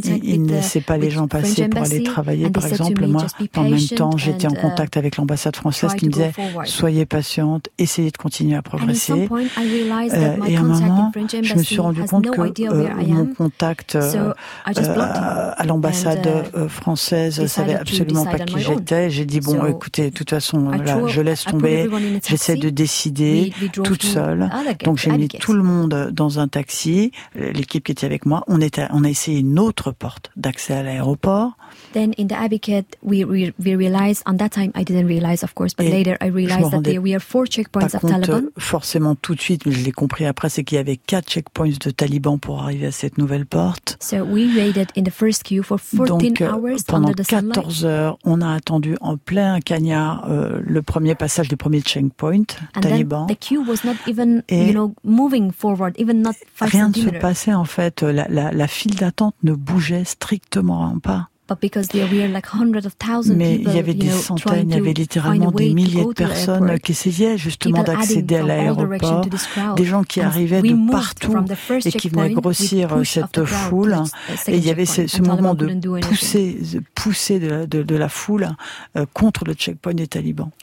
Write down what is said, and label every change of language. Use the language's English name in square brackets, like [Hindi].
[French] Il ne laissait pas les gens passer pour aller travailler, par exemple. Moi, en même temps, j'étais en contact avec l'ambassade française qui me disait « Soyez patiente, essayez de continuer à progresser. » Et à un moment, je me suis rendu compte que mon contact à l'ambassade française ne savait absolument pas qui j'étais. J'ai dit « Bon, écoutez, de toute façon, là, je laisse tomber, j'essaie de décider toute seule. » Donc, j'ai mis tout le monde dans un taxi, l'équipe qui était avec moi, on a essayé une autre porte d'accès à l'aéroport. [English] Then in the Abiquet, we realized on that time I didn't realize of course, but later I realized that there were four checkpoints of Taliban. [French] Forcément tout de suite, mais je l'ai compris après, c'est qu'il y avait quatre checkpoints de Taliban pour arriver à cette nouvelle porte. [English] So we waited in the first queue for 14 hours [French] pendant 14 heures, on a attendu en plein cagnard le premier passage du premier checkpoint Taliban. [English] And then the queue was not even, you know, moving forward, even not 5 [French] rien ne se passait en fait, la file d'attente ne bougeait strictement pas. [English] But because there were like hundreds of thousands [French] mais il y avait des centaines, il y avait littéralement des milliers de personnes qui essayaient justement d'accéder à l'aéroport, des gens qui arrivaient de partout et qui venaient grossir cette foule. Et il y avait ce mouvement de pousser de la foule contre le checkpoint des talibans.